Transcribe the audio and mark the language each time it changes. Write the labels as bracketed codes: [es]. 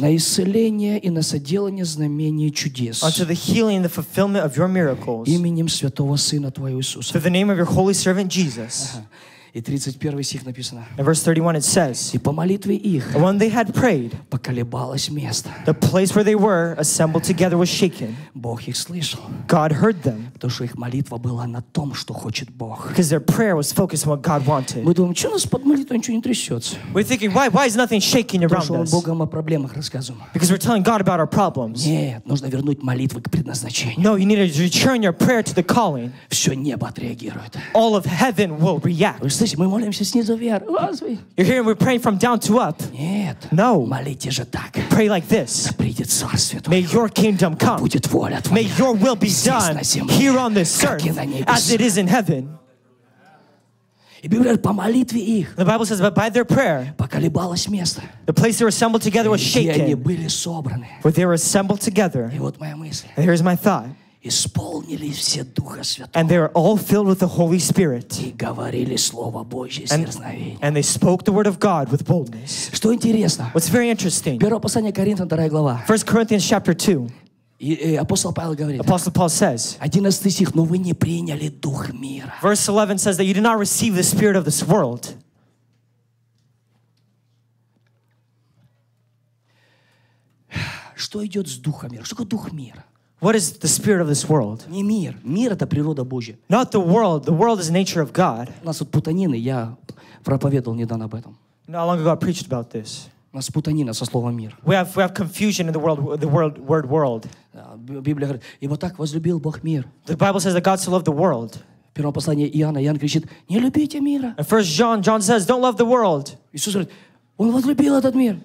[ru] На исцеление и на соделание знамений чудес. [en] Unto the healing and the fulfillment of your miracles. [ru] Именем святого сына твоего Иисуса. [en] Through the name of your holy servant Jesus. [ru] И 31 стих написано. [en] In verse 31 it says. [ru] И по молитве их. [en] When they had prayed. [ru] Поколебалось место. [en] The place where they were assembled together was shaken. [ru] Бог их слышал. [en] God heard them. [ru] Потому что их молитва была на том, что хочет Бог. [en] Because their prayer was focused on what God wanted. [ru] Мы думаем, что у нас под молитвой ничего не трясется. [en] We're thinking, why is nothing shaking around us? [ru] Потому что Богом о проблемах рассказываем. [en] Because we're telling God about our problems. [ru] Нет, нужно вернуть молитвы к предназначению. [en] No, you need to return your prayer to the calling. [ru] Все небо отреагирует. [en] All of heaven will react. [ru] Слышите, мы молимся снизу вверх. [en] You're hearing we're praying from down to up. [ru] Нет. [en] No. [ru] Молите же так. [en] Pray like this. [ru] Да придет Царствие Твое. [en] May your kingdom come. [ru] Да будет воля Твоя. [en] May your will be done here on this earth as it is in heaven. [ru] И Библия говорит, по молитве их. [en] The Bible says, but by their prayer. [ru] Поколебалось место. [en] The place they were assembled together was shaken. [ru] И они были собраны. [en] Where they were assembled together. [ru] И вот моя мысль. [en] And here's my thought. [ru] Исполнились все Духа Святого. [en] And they were all filled with the Holy Spirit. [ru] И говорили Слово Божье с дерзновением. [en] And they spoke the word of God with boldness. [ru] Что интересно. [en] What's very interesting. [ru] Первое послание Коринфянам, 2 глава. [en] 1 Corinthians chapter 2. [ru] И апостол Павел говорит. [en] Apostle Paul says. [ru] 11 стих, но вы не приняли Дух мира. [en] Verse 11 says that you did not receive the spirit of this world. [ru] Что идет с Духом мира? Что такое Дух мира? [en] What is the spirit of this world? [ru] Не мир. Мир — это природа Божья. [en] Not the world. The world is the nature of God. [ru] У нас тут путанины. Я проповедовал недавно об этом. [en] Not long ago I preached about this. [ru] У нас путанина со словом мир. [en] We have confusion in the word world. [ru] Библия говорит, ибо так возлюбил Бог мир. [en] The Bible says that God so loved the world. [ru] Первое послание Иоанна. Иоанн кричит, не любите мира. [en] And first John says, don't love the world. [ru] Иисус говорит, Он возлюбил этот мир.